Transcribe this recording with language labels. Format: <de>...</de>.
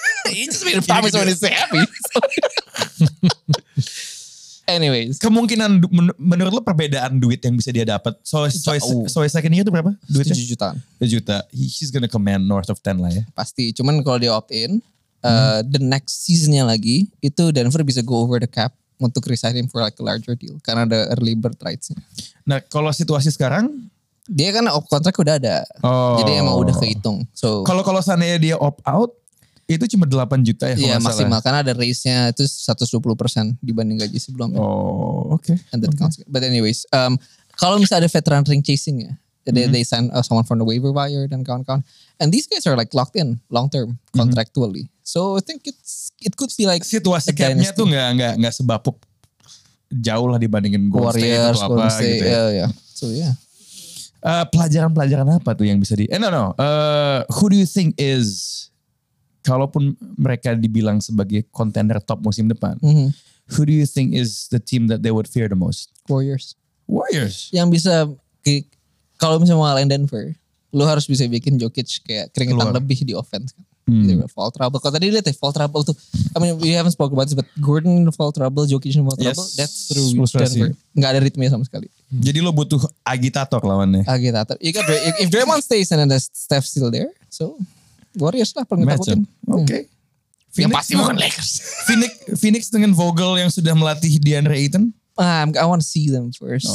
<en>You just made a promise when you're happy. Anyways.</en> <id>Kemungkinan menurut lu perbedaan duit yang bisa dia dapat.</id> <en>So second year</en> <id>itu berapa? Duitnya? 7 jutaan. 7 juta.</id> <en>He's gonna command north of 10</en> <id>lah ya. Pasti. Cuman kalau dia</id> <en>opt-in, the next seasonnya</en> <id>lagi itu</id> <en>Denver bisa go over the cap untuk resign him for like a larger deal</en> <id>karena ada</id> <en>early bird rights-nya.</en> <id>Nah kalau situasi sekarang dia kan kontrak udah ada, jadi emang udah kehitung.</id> <en>So</en> <id>kalau seandainya dia opt out itu cuma 8 juta ya? Iya maksimal karena ada raise-nya itu 120% dibanding gaji sebelumnya. Oh oke.</id> <en>Okay. And that counts. But anyways,</en> <id>kalau misalnya ada</id> <en>veteran ring chasing ya. They sign someone from the waiver wire</en> <id>dan kawan-kawan.</id> <en>And these guys are like locked in long term contractually. So I think it could be like</en> <id>situasi capnya tuh nggak sebapuk jauh lah dibandingin Warriors, Golden State. Gitu ya.</id> <en>Yeah, yeah. So yeah.</en> <id>Pelajaran-pelajaran apa tuh yang bisa di?</id> <en>Who do you think is,</en> <id>kalaupun mereka dibilang sebagai contender top musim depan,</id> <en>who do you think is the team that they would fear the most?</en> <id>Warriors. Yang bisa kalau misalnya mau lawan Denver, lu harus bisa bikin Jokic kayak keringetan lebih di offense kan.</id> <en>Fall trouble.</en> <id>Kalau tadi lihat ya,</id> <en>fall trouble tuh. I mean, we haven't spoken about this, but Gordon in fall trouble, Jokic in fall trouble, that's through Denver.</en> <id>Gak ada ritmenya sama sekali. Jadi lu butuh agitator lawannya.</id> <en>Agitator. If Draymond stays and then Steph still there, so Warriors</en> <id>lah paling ditakutin.</id> <en>Okay.</en> <id>Yang pasti bukan Lakers. Phoenix dengan Vogel yang sudah melatih DeAndre Ayton?</id> <en>I want to see them first.</en>